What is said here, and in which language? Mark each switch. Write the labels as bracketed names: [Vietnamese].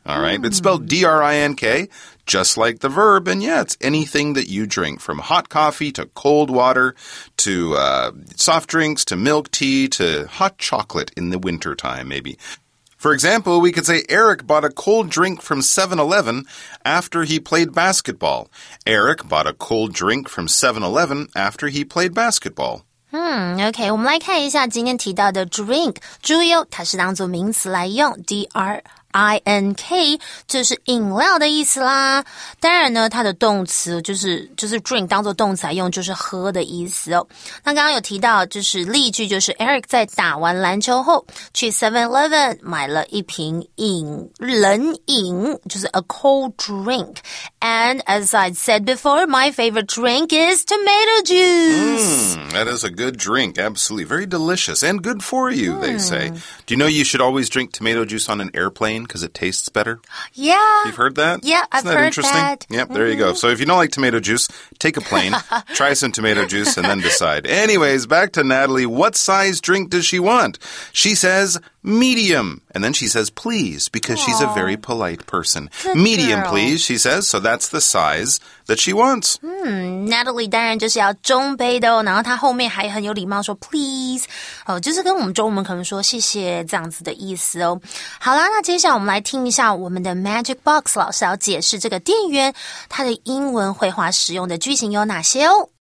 [English] All right, it's spelled D-R-I-N-K. Just like the verb, and yeah, it's anything that you drink, from hot coffee to cold water to soft drinks to milk tea to hot chocolate in the wintertime, maybe. For example, we could say Eric bought a cold drink from 7-Eleven after he played basketball. Eric bought a cold drink from 7-Eleven after he played basketball. [Chinese] OK, 我们来看一下今天提到的 drink, 注意哦，它是当作名词来用 [English] D-R-I-N-K, [Chinese] 就是饮料的意思啦。当然呢，它的动词就是 drink 当作动词来用，就是喝的意思哦。那刚刚有提到就是例句，就是 Eric 在打完篮球后去 7-Eleven 买了一瓶冷饮，就是 [English] a cold drink. And as I said before, my favorite drink is tomato juice. That is a good drink, absolutely. Very delicious and good for you, they say. Do you know you should always drink tomato juice on an airplane because it tastes better? Yeah. You've heard that? Yeah, I've heard that. Isn't that interesting? Yep, there you go. So if you don't like tomato juice, take a plane, try some tomato juice, and then decide. Anyways, back to Natalie. What size drink does she want? She says... medium. And then she says, please, because she's a very polite person. Medium, please, she says. So that's the size that she wants. [Chinese] Natalie 当然就是要中杯的哦。然后她后面还很有礼貌说 please. 哦，就是跟我们中文可能说谢谢这样子的意思哦。好啦，那接下来我们来听一下我们的 Magic Box 老师要解释这个店员他的英文绘画使用的句型有哪些哦。